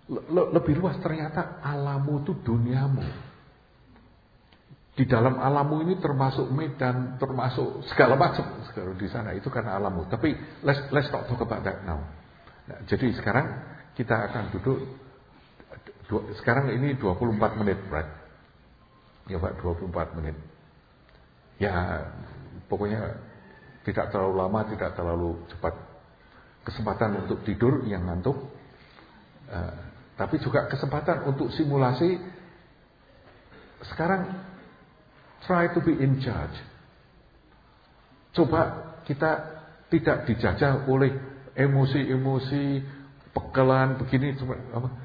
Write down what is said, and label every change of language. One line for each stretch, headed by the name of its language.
Indonesian: Lebih luas, ternyata alammu itu duniamu. Di dalam alammu ini termasuk medan, termasuk segala macam sekarang di sana, itu karena alammu. Tapi
English: let's talk about that now.
Indonesian: Nah, jadi sekarang kita akan duduk. Sekarang ini 24 menit,
English: right?
Indonesian: Ya Pak, 24 menit. Ya, pokoknya tidak terlalu lama, tidak terlalu cepat. Kesempatan untuk tidur yang ngantuk. Tapi juga kesempatan untuk simulasi. Sekarang,
English: try to be in charge.
Indonesian: Coba kita tidak dijajah oleh emosi-emosi, pegelan, begini, apa.